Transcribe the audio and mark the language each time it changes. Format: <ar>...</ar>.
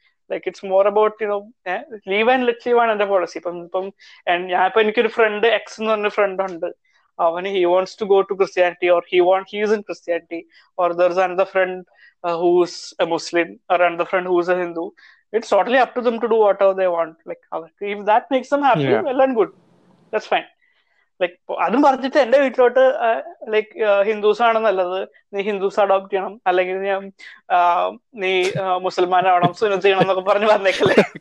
<en>like it's more about you know live and let live</en> <ml>ആണ് എന്റെ policy. ഇപ്പം ഞാനിപ്പോ എനിക്കൊരു ഫ്രണ്ട് എക്സ് എന്ന് പറഞ്ഞ ഫ്രണ്ട് ഉണ്ട്, അവന്</ml> <en>He wants to go to Christianity or he want he's in Christianity or there is another friend who's a Muslim or another friend who's a Hindu. It's totally up to them to do whatever they want. Like, if that makes them happy, yeah. Well and good. That's fine.</en> <ml>Like അതും പറഞ്ഞിട്ട് എന്റെ വീട്ടിലോട്ട് like Hindus ആണ് നല്ലത്, നീ Hindus adopt ചെയ്യണം അല്ലെങ്കിൽ ഞാൻ നീ മുസൽമാൻ ആവണം സുന്നത്ത് ചെയ്യണം എന്നൊക്കെ പറഞ്ഞ് പറഞ്ഞേക്കല്ലേ.</ml>